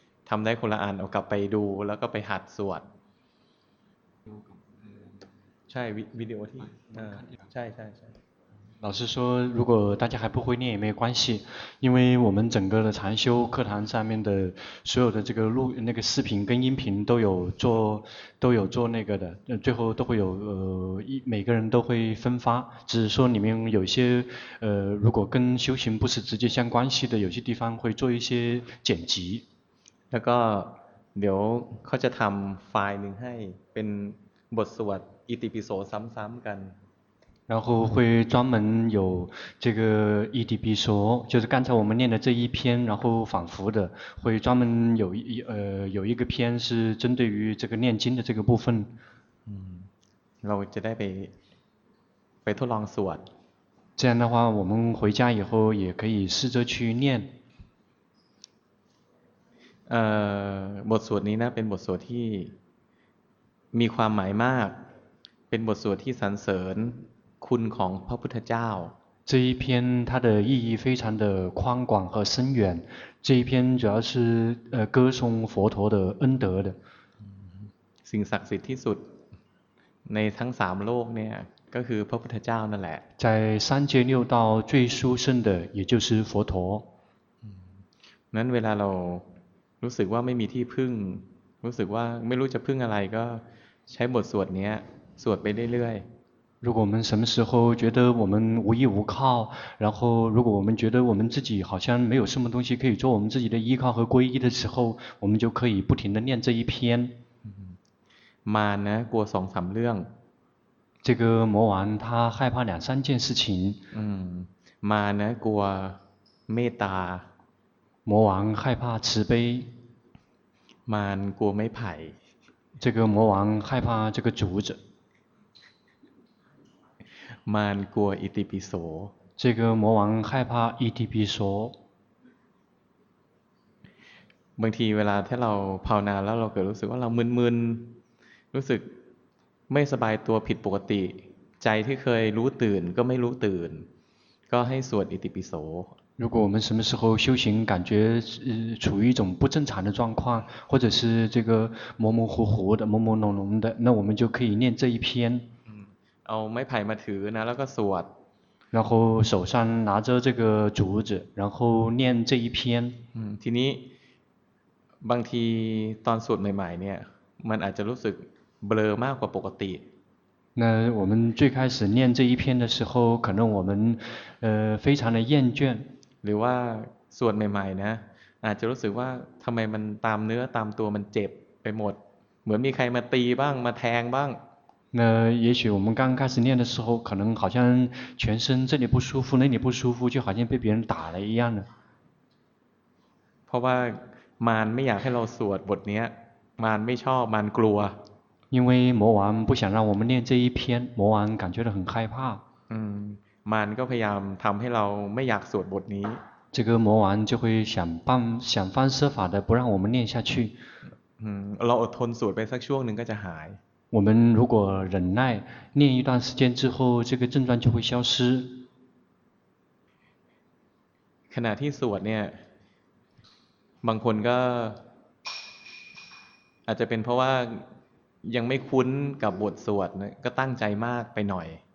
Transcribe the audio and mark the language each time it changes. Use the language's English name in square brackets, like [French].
[Thai] ทำได้คนละอันเอากลับไปดูแล้วก็ไปหัดสวดใช่วิดีโอที่ใช่ [Chinese] 老师说如果大家还不会念也没关系因为我们整个的禅修课堂上面的所有的这个录那个视频跟音频都有做那个的最后都会有每个人都会分发只是说里面有些如果跟修行不是直接相关系的有些地方会做一些剪辑 [Thai] แล้วก็เดี๋ยวเขาจะทำไฟล์หนึ่งให้เป็นบทสวดอิติปิโสซ้ำๆกัน [Chinese] 然后会专门有这个伊底比说就是刚才我们念的这一篇然后反复的会专门有一个篇是针对于这个念经的这个部分 [Thai] เราจะได้ไปทดลองสวด [Chinese] 这样的话我们回家以后也可以试着去念 [Thai] บทสวดนี้นะเป็นบทสวดที่มีความหมายมากเป็นบทสวดที่สรรเสริญคุณของพระพุทธเจ้า [Chinese] 这一篇它的意义非常的宽广和深远这一篇主要是歌颂佛陀的恩德的 [Thai] สิ่งศักดิ์สิทธิ์ที่สุดในทั้งสามโลกเนี่ยก็คือพระพุทธเจ้านั่นแหละ [Chinese] 在三界六道最殊胜的也就是佛陀 [Thai] นั้นเวลาเรารู้สึกว่าไม่มีที่พึ่งรู้สึกว่าไม่รู้จะพึ่งอะไรก็ใช้บทสวดนี้สวดไปเรื่อย [Chinese] ๆ如果我们什么时候觉得我们无依无靠然后如果我们觉得我们自己好像没有什么东西可以做我们自己的依靠和皈依的时候我们就可以不停地念这一篇 [Thai] มานะกลัวสองสามเรื่อง [Chinese] 这个魔王他害怕两三件事情 [Thai] มานะกลัวเมตตา [Chinese] 魔王害怕慈悲 [Thai] มันกลัวไม่ไผ่ [Chinese] 这个魔王害怕这个竹子 [Thai] มันกลัวอิติปิโส [Chinese] 这个魔王害怕อิติปิโส [Thai] บางทีเวลาถ้าเราภาวนาแล้วเราเกิดรู้สึกว่าเรามึนๆรู้สึกไม่สบายตัวผิดปกติใจที่เคยรู้ตื่นก็ไม่รู้ตื่นก็ให้สวดอิติปิโส [Chinese] 如果我们什么时候修行感觉处于一种不正常的状况或者是这个模模糊糊的朦朦胧胧的那我们就可以念这一篇 [Thai] เอาไม้ไผ่มาถือนะแล้วก็สวด [Chinese] 然后手上拿着这个竹子然后念这一篇 [Thai] ทีนี้บางทีตอนสวดใหม่ๆเนี่ยมันอาจจะรู้สึกเบลอมากกว่าปกติ [Chinese] 那我们最开始念这一篇的时候可能我们非常的厌倦 [Thai] หรือว่าสวดใหม่ๆนะอาจจะรู้สึกว่าทำไมมันตามเนื้อตามตัวมันเจ็บไปหมดเหมือนมีใครมาตีบ้างมาแทงบ้าง [Chinese] 那也许我们刚开始念的时候可能好像全身这里不舒服那里不舒服就好像被别人打了一样的 [Thai] เพราะว่ามารไม่อยากให้เราสวดบทนี้มารไม่ชอบมารกลัว [Chinese] 因为魔王不想让我们念这一篇魔王感觉到很害怕 [Thai] มันก็พยายามทำให้เราไม่อยากสวดบทนี้ [Chinese] 这个魔王就会想方设法的不让我们念下去 [Thai] เราอดทนสวดไปสักช่วงหนึ่งก็จะหาย [Chinese] 我们如果忍耐念一段时间之后这个症状就会消失 [Thai] ขณะที่สวดเนี่ยบางคนก็อาจจะเป็นเพราะว่ายังไม่คุ้นกับบทสวดก็ตั้งใจมากไปหน่อย